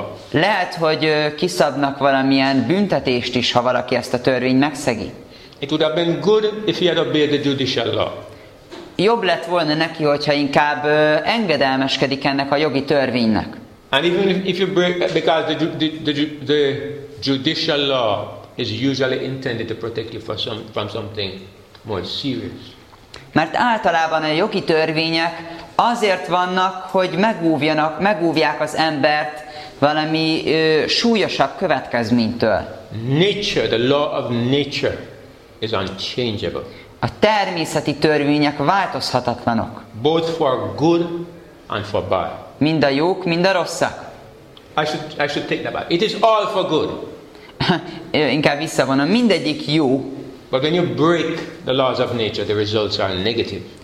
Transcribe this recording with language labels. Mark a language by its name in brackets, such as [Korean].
[Hungarian] Lehet, hogy kiszabnak valamilyen büntetést is, ha valaki ezt a törvényt megszegi. [English] It would have been good if he had obeyed the judicial law. [Hungarian] Jobb lett volna neki, hogyha inkább engedelmeskedik ennek a jogi törvénynek. [English] And even if you break, because the judicial law is usually intended to protect you from something more serious. [Hungarian] Mert általában a jogi törvények azért vannak, hogy megúvják az embert valami súlyosabb következménytől. [English] Nature, the law of nature is unchangeable. [Hungarian] A természeti törvények változhatatlanok. [English] Both for good and for bad. [Hungarian] Mind a jók, mind a rosszak. [English] I should take that back. It is all for good. [Hungarian] Inkább visszavonom, mindegyik jó. [English] But when you break the laws of nature, the results are negative.